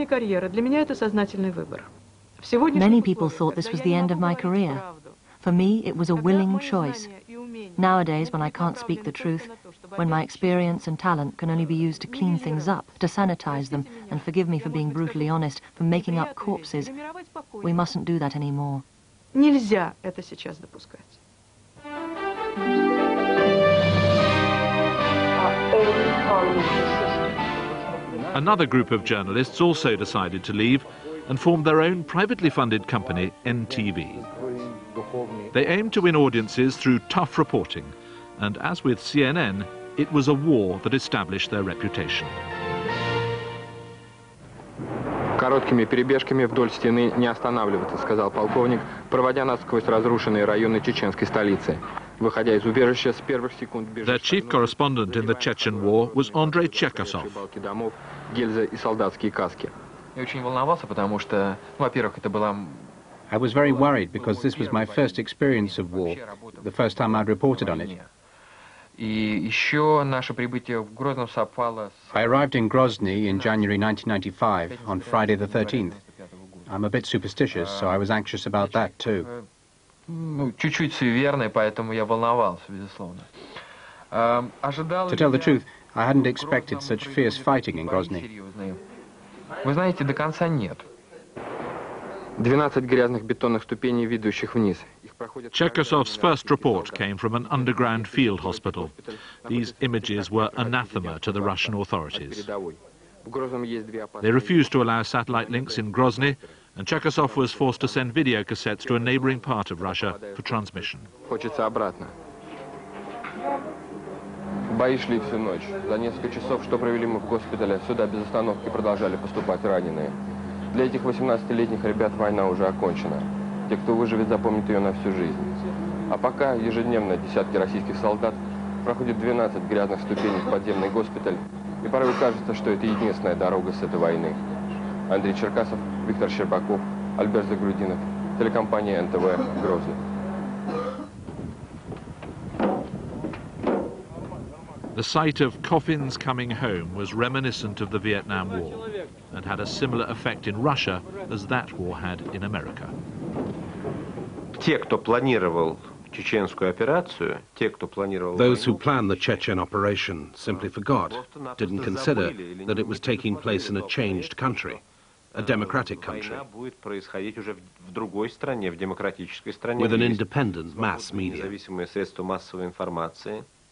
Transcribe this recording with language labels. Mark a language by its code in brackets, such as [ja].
[en] Many people thought this was the end of my career. For me, it was a willing choice. Nowadays, when I can't speak the truth, when my experience and talent can only be used to clean things up, to sanitize them, and forgive me for being brutally honest, for making up corpses, we mustn't do that anymore. [ru] Нельзя это сейчас допускать. [en] Another group of journalists also decided to leave and formed their own privately funded company, NTV. They aimed to win audiences through tough reporting, and as with CNN, it was a war that established their reputation. [ru] Короткими перебежками вдоль стены не останавливаться, сказал полковник, проводя нас сквозь разрушенные районы чеченской столицы. [en] Their chief correspondent in the Chechen war was Andrei Chekhasov. I was very worried because this was my first experience of war, the first time I'd reported on it. I arrived in Grozny in January 1995, on Friday the 13th. I'm a bit superstitious, so I was anxious about that too. To tell the truth, I hadn't expected such fierce fighting in Grozny. [ru] Вы знаете, до конца нет. 12 грязных бетонных ступеней, ведущих вниз. [en] Chekhasov's first report came from an underground field hospital. These images were anathema to the Russian authorities. They refused to allow satellite links in Grozny and Chekhov was forced to send video cassettes to a neighboring part of Russia for transmission. [ru] Бои шли всю ночь. За несколько часов, что провели мы в госпитале, сюда без остановки продолжали поступать раненые. Для этих 18-летних ребят война уже окончена. Те, кто выживет, запомнят ее на всю жизнь. А пока ежедневно десятки российских солдат проходят 12 грязных ступеней в подземный госпиталь. И порой кажется, что это единственная дорога с этой войны. Андрей Черкасов, Виктор Щербаков, Альберт Загрудинов, телекомпания НТВ «Грозный». [en] The sight of coffins coming home was reminiscent of the Vietnam War and had a similar effect in Russia as that war had in America. Those who planned the Chechen operation simply forgot, didn't consider that it was taking place in a changed country, a democratic country, with an independent mass media.